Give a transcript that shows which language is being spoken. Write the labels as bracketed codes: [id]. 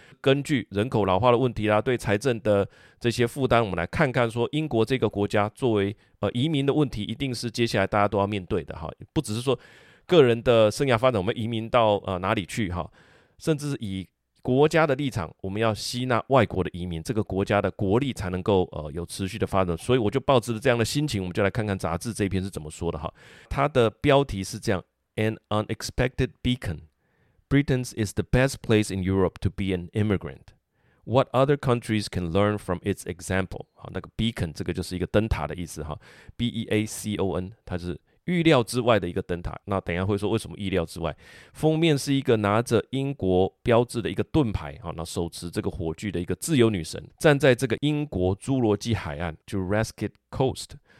[zh] 根据人口老化的问题啦，对财政的这些负担，我们来看看说英国这个国家作为移民的问题一定是接下来大家都要面对的，不只是说个人的生涯发展我们移民到哪里去，甚至是以国家的立场我们要吸纳外国的移民，这个国家的国力才能够有持续的发展。所以我就抱着这样的心情，我们就来看看杂志这一篇是怎么说的。 [en] 它的标题是这样， An unexpected beacon. Britain is the best place in Europe to be an immigrant. What other countries can learn from its example? [zh] 好，那个 beacon 这个就是一个灯塔的意思， B-E-A-C-O-N 它是预料之外的一个灯塔。那等一下会说为什么预料之外。封面是一个拿着英国标志的一个盾牌，那手持这个火炬的一个自由女神站在这个英国侏罗纪海岸 Jurassic Coast。